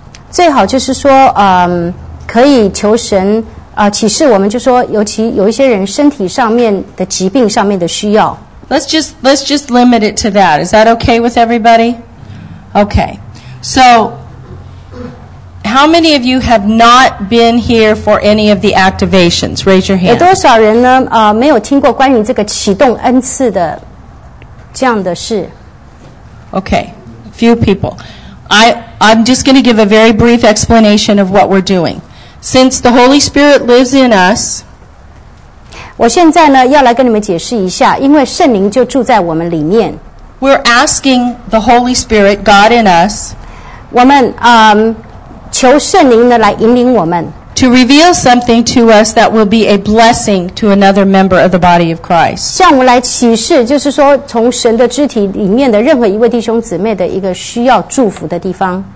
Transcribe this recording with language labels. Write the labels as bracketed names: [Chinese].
[Chinese] 最好就是说可以求神启示我们就说尤其有一些人身体上面的疾病上面的需要 [English] Let's just limit it to that Is that okay with everybody? Okay SoHow many of you have not been here for any of the activations? Raise your hand. [Chinese] 有多少人呢？没有听过关于这个启动恩赐的这样的事。 [English] Okay, few people. I'm just going to give a very brief explanation of what we're doing. Since the Holy Spirit lives in us, [Chinese] 我现在呢要来跟你们解释一下，因为圣灵就住在我们里面。 [English] We're asking the Holy Spirit, God in us. [Chinese] 我们求圣灵呢来引领我们 [English] to reveal something to us that will be a blessing to another member of the body of Christ [Chinese] 向我们来启示就是说从神的肢体里面的任何一位弟兄姊妹的一个需要祝福的地方